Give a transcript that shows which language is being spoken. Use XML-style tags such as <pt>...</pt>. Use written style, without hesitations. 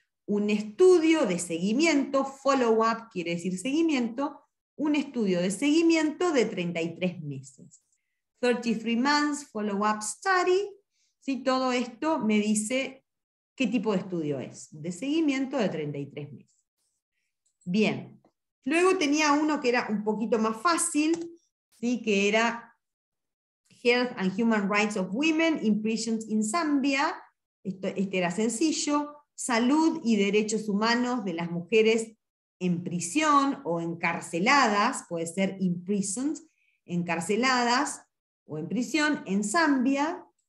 <es>Un estudio de seguimiento,</es> <en>follow-up</en> <es>quiere decir seguimiento, un estudio de seguimiento de 33 meses.</es> <en>33 months follow-up study,</en> <es>¿sí? Todo esto me dice qué tipo de estudio es, de seguimiento de 33 meses. Bien. Luego tenía uno que era un poquito más fácil, ¿sí? Que era</es> <en>Health and Human Rights of Women in Prisons in Zambia.</en> <es>Este era sencillo. Salud y derechos humanos de las mujeres en prisión o encarceladas, puede ser</es> <en>in prisons,</en> <es>encarceladas o en prisión en Zambia.</es>